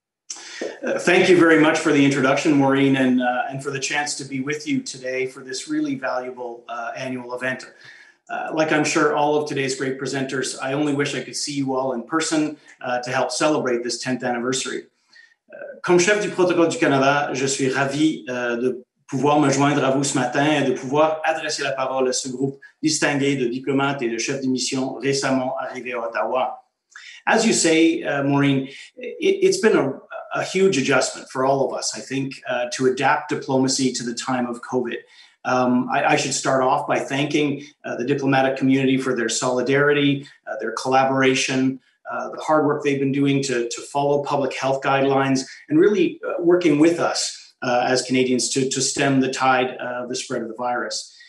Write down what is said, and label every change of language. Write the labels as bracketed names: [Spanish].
[English] Thank you very much for the introduction, Maureen, and for the chance to be with you today for this really valuable annual event. Like I'm sure all of today's great presenters, I only wish I could see you all in person to help celebrate this 10th anniversary. [French] Comme chef du protocole du Canada, je suis ravi de pouvoir me joindre à vous ce matin et de pouvoir adresser la parole à ce groupe distingué de diplomates et de chefs de mission récemment arrivés à Ottawa. [English] As you say, Maureen, it's been a huge adjustment for all of us, I think, to adapt diplomacy to the time of COVID. I should start off by thanking the diplomatic community for their solidarity, their collaboration, the hard work they've been doing to follow public health guidelines, and really working with us as Canadians to stem the tide of the spread of the virus.